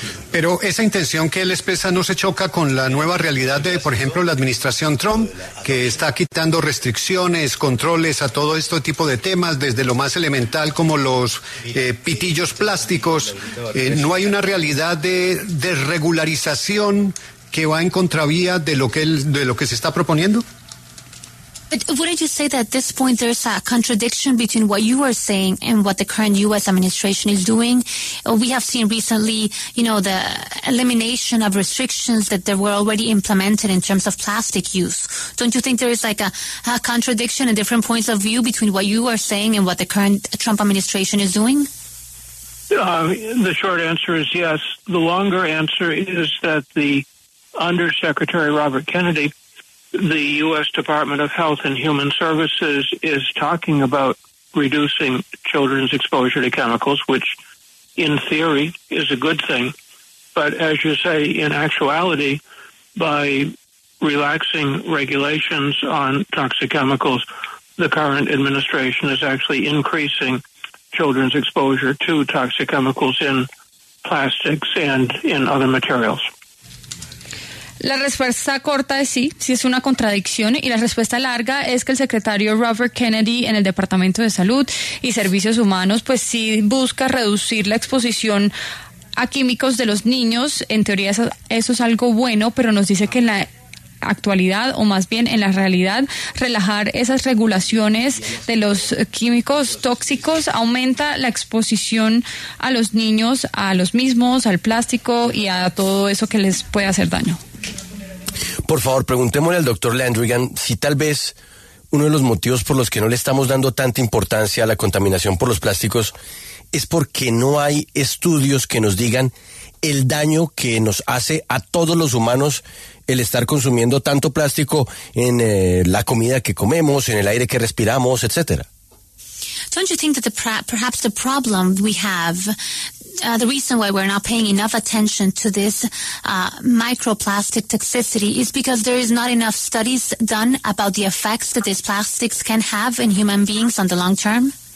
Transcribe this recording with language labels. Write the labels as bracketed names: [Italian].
[Spanish] Pero esa intención que él expresa no se choca con la nueva realidad de, por ejemplo, la administración Trump, que está quitando restricciones, controles a todo este tipo de temas, desde lo más elemental como los pitillos plásticos. ¿No hay una realidad de desregularización que va en contravía de lo que se está proponiendo? [English] Wouldn't you say that at this point there's a contradiction between what you are saying and what the current U.S. administration is doing? We have seen recently, you know, the elimination of restrictions that there were already implemented in terms of plastic use. Don't you think there is like a contradiction and different points of view between what you are saying and what the current Trump administration is doing? The short answer is yes. The longer answer is that the Under Secretary Robert Kennedy, the U.S. Department of Health and Human Services is talking about reducing children's exposure to chemicals, which in theory is a good thing. But as you say, in actuality, by relaxing regulations on toxic chemicals, the current administration is actually increasing children's exposure to toxic chemicals in plastics and in other materials. [Spanish] La respuesta corta es sí, sí es una contradicción, y la respuesta larga es que el secretario Robert Kennedy en el Departamento de Salud y Servicios Humanos pues sí busca reducir la exposición a químicos de los niños. En teoría eso es algo bueno, pero nos dice que en la actualidad, o más bien en la realidad, relajar esas regulaciones de los químicos tóxicos aumenta la exposición a los niños, a los mismos, al plástico y a todo eso que les puede hacer daño. Por favor, preguntémosle al doctor Landrigan si tal vez uno de los motivos por los que no le estamos dando tanta importancia a la contaminación por los plásticos es porque no hay estudios que nos digan el daño que nos hace a todos los humanos el estar consumiendo tanto plástico en la comida que comemos, en el aire que respiramos, etcétera. [English] Don't you think that perhaps the problem we have, the reason why we're not paying enough attention to this microplastic toxicity is because there is not enough studies done about the effects that these plastics can have in human beings on the long term?